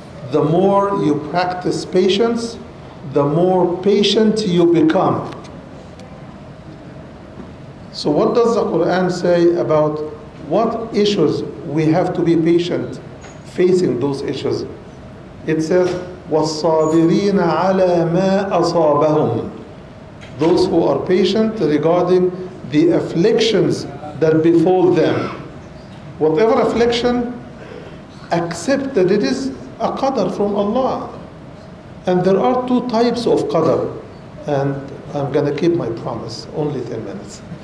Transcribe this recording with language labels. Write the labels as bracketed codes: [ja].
[en] The more you practice patience, the more patient you become. So what does the Quran say about what issues we have to be patient facing those issues? [ar] It says, "وَالصَّابِرِينَ عَلَى مَا أَصَابَهُمْ." [en] Those who are patient regarding the afflictions that befall them. Whatever affliction, accept that it is a qadr from Allah. And there are two types of qadr. And I'm going to keep my promise, only 10 minutes.